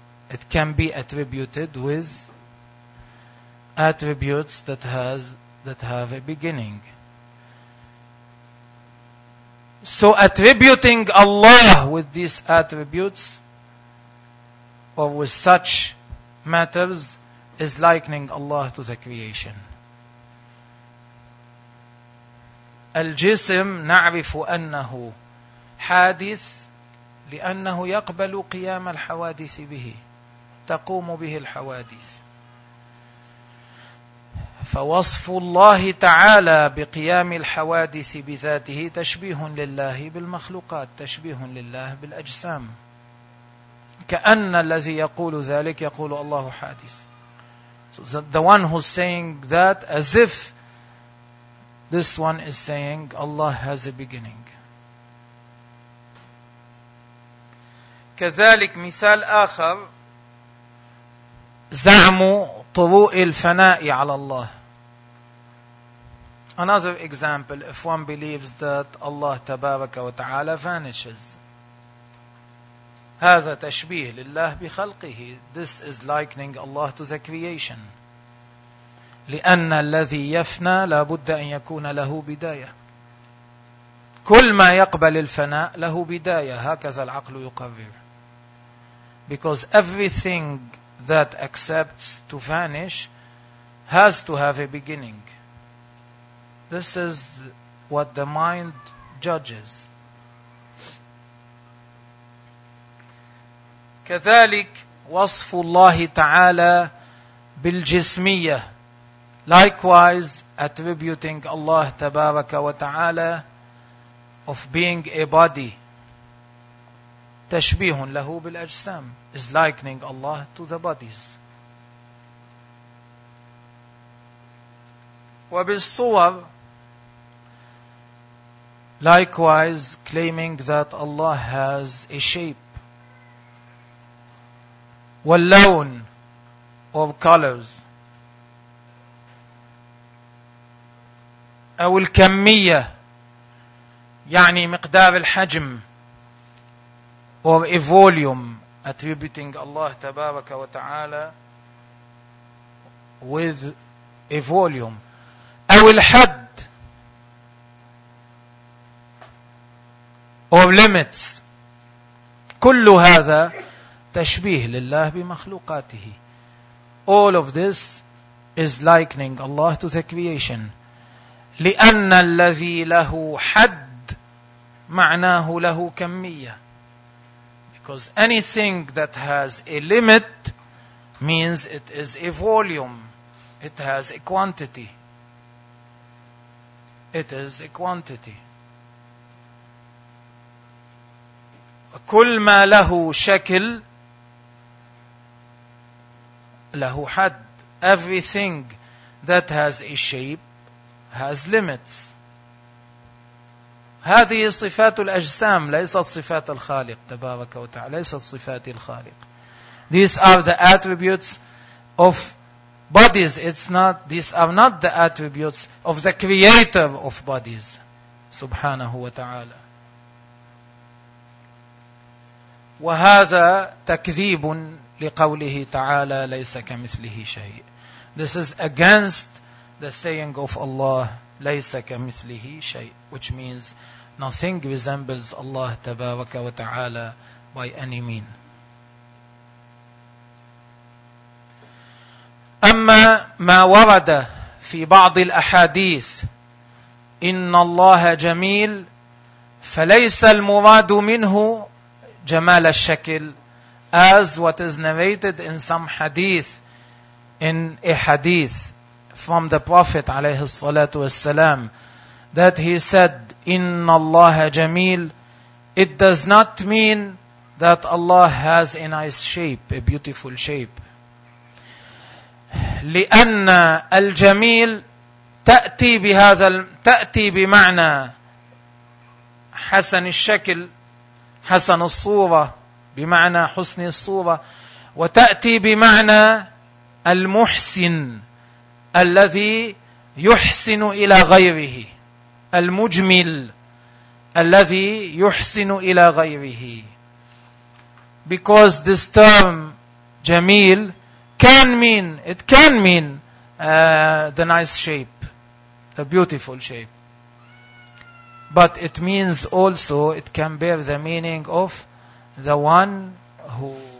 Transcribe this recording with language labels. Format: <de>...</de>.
<en>It can be attributed with attributes that have a beginning. So attributing Allah with these attributes or with such matters is likening Allah to the creation.</en> <ar>الجسم نعرف أنه حادث لأنه يقبل قيام الحوادث به تقوم به الحوادث. فوصف الله تعالى بقيام الحوادث بذاته تشبيه لله بالمخلوقات تشبيه لله بالأجسام. كأن الذي يقول ذلك يقول الله حادث.</ar> <en>The one who's saying that, as if this one is saying Allah has a beginning.</en> <ar>كذلك مثال آخر زعم طروء الفناء على الله.</ar> <en>Another example, if one believes that Allah</en> <ar>تبارك وتعالى</ar> <en>vanishes.</en> <ar>هذا تشبيه لله بخلقه.</ar> <en>This is likening Allah to the creation.</en> <ar>لأن الذي يفنى لابد أن يكون له بداية. كل ما يقبل الفناء له بداية. هكذا العقل يقرر.</ar> <en>Because everything that accepts to vanish has to have a beginning. This is what the mind judges.</en> <ar>كذلك وصف الله تعالى بالجسمية.</ar> <en>Likewise, attributing Allah</en> <ar>تبارك وتعالى</ar> <en>of being a body.</en> <ar>تشبيه له بالأجسام</ar> <en>is likening Allah to the bodies.</en> <ar>وبالصور</ar> <en>likewise, claiming that Allah has a shape.</en> <ar>واللون</ar> <en>of colors.</en> <ar>أو الكمية يعني مقدار الحجم</ar> <en>or a volume attributing Allah</en> <ar>تبارك وتعالى</ar> <en>with a volume</en> <ar>أو الحد</ar> <en>or limits</en> <ar>كل هذا تشبيه لله بمخلوقاته.</ar> <en>All of this is likening Allah to the creation.</en> <ar>لأن الذي له حد معناه له كمية.</ar> <en>Because anything that has a limit means it is a volume. It has a quantity. It is a quantity.</en> <ar>كل ما له شكل له حد.</ar> <en>Everything that has a shape has limits.</en> <ar>هذه صفات الأجسام ليست صفات الخالق تبارك وتعالى. ليست صفات الخالق.</ar> <en>These are the attributes of bodies. It's not. These are not the attributes of the creator of bodies.</en> <ar>سبحانه وتعالى. وهذا تكذيب لقوله تعالى ليس كمثله شيء.</ar> <en>This is against the saying of Allah</en> <ar>ليس كمثله شيء,</ar> <en>which means nothing resembles Allah</en> <ar>تبارك وتعالى</ar> <en>by any mean.</en> <ar>أما ما ورد في بعض الأحاديث إن الله جميل فليس المراد منه جمال الشكل,</ar> <en>as what is narrated in some hadith, in a hadith from the Prophet</en> <ar>عليه الصلاة والسلام,</ar> <en>that he said</en> <ar>إن الله جميل,</ar> <en>it does not mean that Allah has a nice shape, a beautiful shape.</en> <ar>لأن الجميل تأتي بهذا تأتي بمعنى حسن الشكل, حسن الصورة بمعنى حسن الصورة, وتأتي بمعنى المحسن الذي يحسن إلى غيره, المجمل الذي يحسن إلى غيره.</ar> <en>Because this term جميل can mean, it can mean the nice shape, the beautiful shape. But it means also it can bear the meaning of the one who</en>